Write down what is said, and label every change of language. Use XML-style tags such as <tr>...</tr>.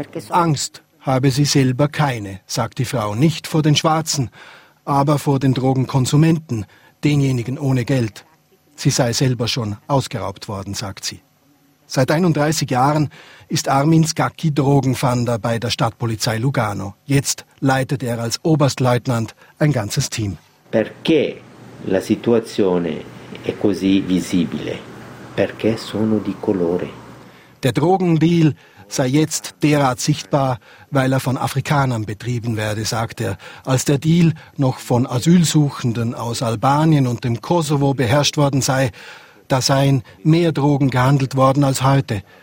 <de>Angst habe sie selber keine, sagt die Frau. Nicht vor den Schwarzen, aber vor den Drogenkonsumenten, denjenigen ohne Geld. Sie sei selber schon ausgeraubt worden, sagt sie. Seit 31 Jahren ist Armin Skaki Drogenfahnder bei der Stadtpolizei Lugano. Jetzt leitet er als Oberstleutnant ein ganzes Team.</de> <it>Perché la situazione è così visibile? Perché sono di colore?</it> <de>Der Drogendeal sei jetzt derart sichtbar, weil er von Afrikanern betrieben werde, sagt er. Als der Deal noch von Asylsuchenden aus Albanien und dem Kosovo beherrscht worden sei, da seien mehr Drogen gehandelt worden als heute.</de>